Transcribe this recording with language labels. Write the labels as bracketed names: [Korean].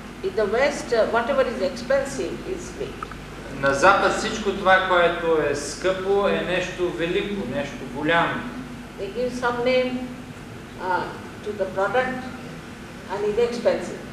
[English] In the West, whatever is expensive is big. [Bulgarian] На Запад всичко това, което е скъпо, е нещо велико, нещо голямо. [English] They give some name to the product and it's expensive.